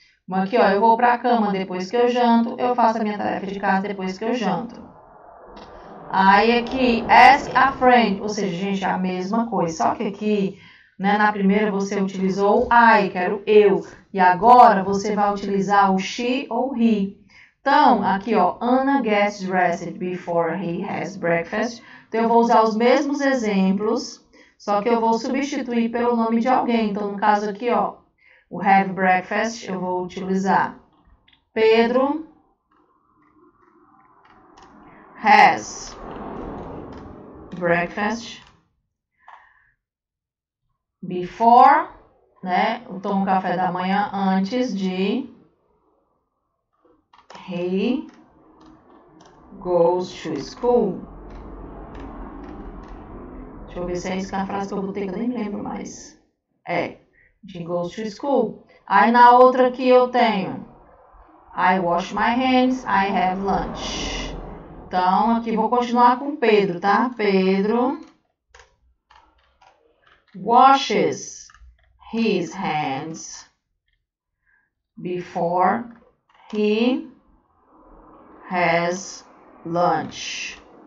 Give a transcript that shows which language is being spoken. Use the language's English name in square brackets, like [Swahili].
[Portuguese] Aqui, ó, eu vou pra cama depois que eu janto. Eu faço a minha tarefa de casa depois que eu janto. Aí, aqui, [English] ask a friend. [Portuguese] Ou seja, gente, é a mesma coisa. Só que aqui, né, na primeira você utilizou I, quero eu. E agora você vai utilizar o she ou he. Então, aqui, ó, [English] Anna gets dressed before he has breakfast. [Portuguese] Então, eu vou usar os mesmos exemplos, só que eu vou substituir pelo nome de alguém. Então, no caso aqui, ó. O have breakfast eu vou utilizar. [English] Pedro has breakfast before, né? [Portuguese] Eu tomo café da manhã antes de [English] he goes to school. [Portuguese] Deixa eu ver se é isso que é a frase que eu botei, que eu nem lembro mais. É. De [English] goes to school. [Portuguese] Aí na outra aqui eu tenho. [English] I wash my hands. I have lunch. [Portuguese] Então aqui vou continuar com Pedro, tá? [English] Pedro washes his hands before he has lunch.